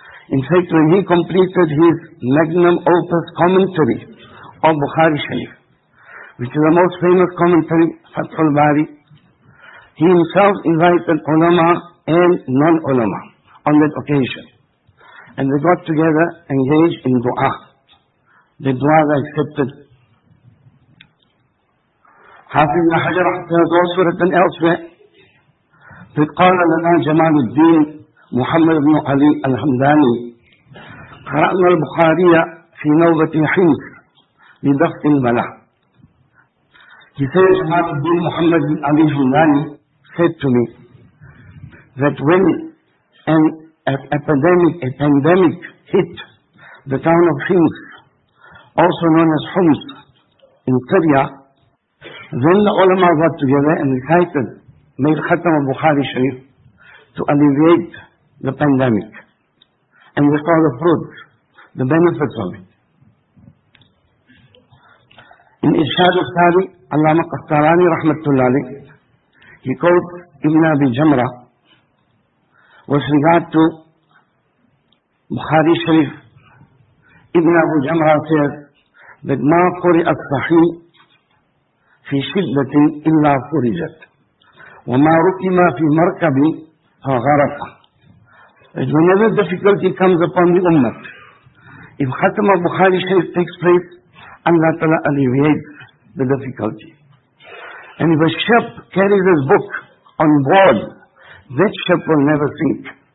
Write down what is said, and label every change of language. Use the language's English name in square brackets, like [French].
[English] In fact, when he completed his magnum opus commentary of Bukhari Sharif, which is the most famous commentary, Fath al-Bari, he himself invited ulama and non-ulama on that occasion. And they got together, engaged in du'a. The du'a was accepted. Hafiz ibn Hajar has also written elsewhere, [Arabic] فقال لنا جمال الدين محمد بن علي الحمداني قرأنا البخاري في نوبة حمص لضغط البلاء. [English] He said, جمال الدين محمد بن علي الحمداني said to me that when a pandemic hit the town of Hims, also known as Homs in Syria, then the ulama got together and recited made Khatam of Bukhari Sharif to alleviate the pandemic. And we saw the fruits, the benefits of it. In Irshad al-Sari, Allama Qastarani rahmatullahi, he quotes Ibn Abi Jamra with regard to Bukhari Sharif. Ibn Abu Jamra says that [Arabic] ما قرئ الصحيح في شدة إلا فرجت وَمَا رُكِمَا فِي مَرْكَبِ فَغَرَقَ. [English] And whenever difficulty comes upon the Ummah, if Khatam of Bukhari Sharif takes place, Allah Ta'ala alleviates the difficulty. And if a ship carries his book on board, that ship will never sink.